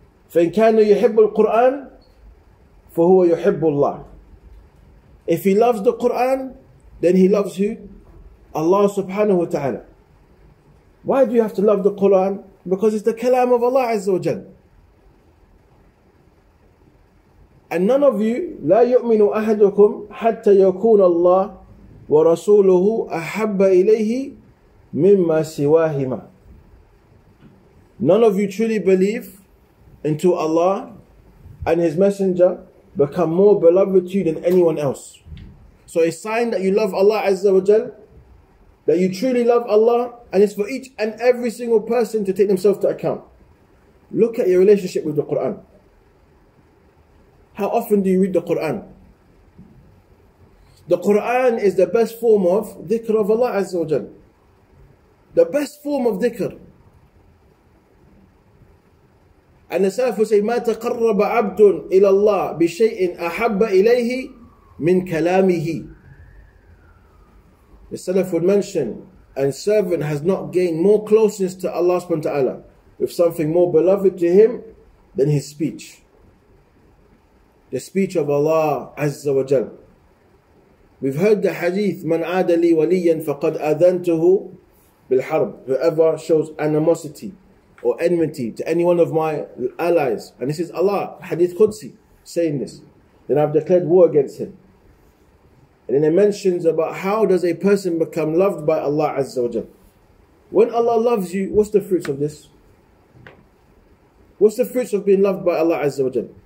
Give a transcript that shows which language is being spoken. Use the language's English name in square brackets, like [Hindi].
[Arabic] فَإِنْ كَانَ يُحِبُّ الْقُرْآنِ فَهُوَ يُحِبُّ اللَّهِ. [English] If he loves the Quran, then he loves who? Allah subhanahu wa ta'ala. Why do you have to love the Quran? Because it's the kalam of Allah Azza wa Jal. And none of you, [Arabic] لا يؤمن أحدكم حتى يكون الله ورسوله أحب إليه مما سواهما. [English] None of you truly believe until Allah and His Messenger become more beloved to you than anyone else. So a sign that you love Allah Azza wa Jal, that you truly love Allah, and it's for each and every single person to take themselves to account. Look at your relationship with the Quran. How often do you read the Quran? The Quran is the best form of dhikr of Allah Azza wa Jal. The best form of dhikr. And the Salaf will say, [Arabic] مَا تَقَرَّبَ عَبْدٌ إِلَى اللَّهِ بِشَيْءٍ أَحَبَّ إِلَيْهِ مِنْ كَلَامِهِ. [English] The Salaf would mention, and servant has not gained more closeness to Allah subhanahu wa ta'ala with something more beloved to him than his speech. The speech of Allah Azza wa Jal. We've heard the hadith, [Arabic] مَنْ عَادَ لِي وَلِيًّا فَقَدْ أَذَنْتُهُ بِالْحَرْبِ. [English] Whoever shows animosity or enmity to any one of my allies, and this is Allah, hadith Qudsi, saying this, then I've declared war against him. And then it mentions about how does a person become loved by Allah Azza wa Jal. When Allah loves you, what's the fruits of this? What's the fruits of being loved by Allah Azza wa Jal?